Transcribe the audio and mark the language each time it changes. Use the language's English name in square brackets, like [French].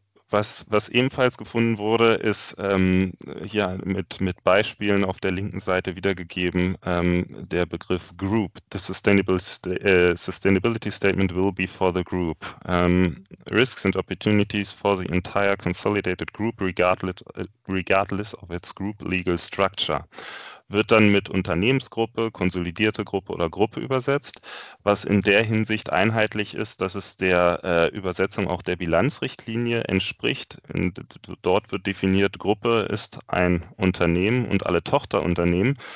[German] Was ebenfalls gefunden wurde, ist hier mit Beispielen auf der linken Seite wiedergegeben, der Begriff Group. [English] The Sustainability Statement will be for the group. Risks and opportunities for the entire consolidated group regardless of its group legal structure. [German] Wird dann mit Unternehmensgruppe, konsolidierte Gruppe oder Gruppe übersetzt, was in der Hinsicht einheitlich ist, dass es der Übersetzung auch der Bilanzrichtlinie entspricht. Dort wird definiert, Gruppe ist ein Unternehmen und alle Tochterunternehmen.